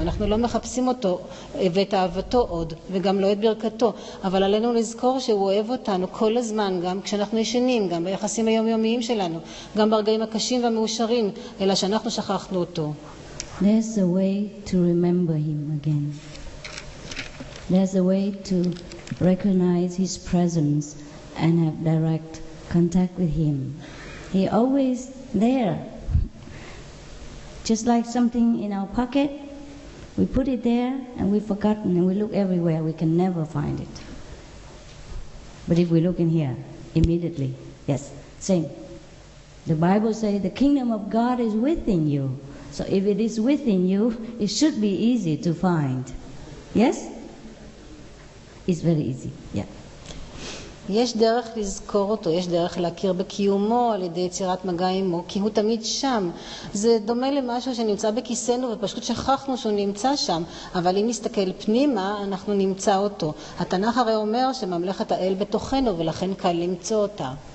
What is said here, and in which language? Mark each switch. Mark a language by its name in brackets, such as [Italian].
[Hebrew] אנחנו לא מחפשים אותו ואת אהבתו עוד, וגם לא את ברכתו. אבל עלינו לזכור שהוא אוהב אותנו כל הזמן, גם כשאנחנו ישנים, גם ביחסים היומיומיים שלנו, גם ברגעים הקשים והמאושרים, אלא שאנחנו שכחנו אותו. [English] There's a way to remember Him again. There's a way to recognize His presence and have direct contact with Him. He always there. Just like something in our pocket, we put it there and we've forgotten and we look everywhere, we can never find it. But if we look in here, immediately, yes, same. The Bible says the kingdom of God is within you. So if it is within you, it should be easy to find. Yes? It's very easy, yeah. [Hebrew] יש דרך לזכור אותו, יש דרך להכיר בקיומו על ידי יצירת מגע עמו, כי הוא תמיד שם. זה דומה למשהו שנמצא בכיסנו ופשוט שכחנו שהוא נמצא שם, אבל אם נסתכל פנימה, אנחנו נמצא אותו. התנ"ך הרי אומר שממלכת האל בתוכנו ולכן קל למצוא אותה.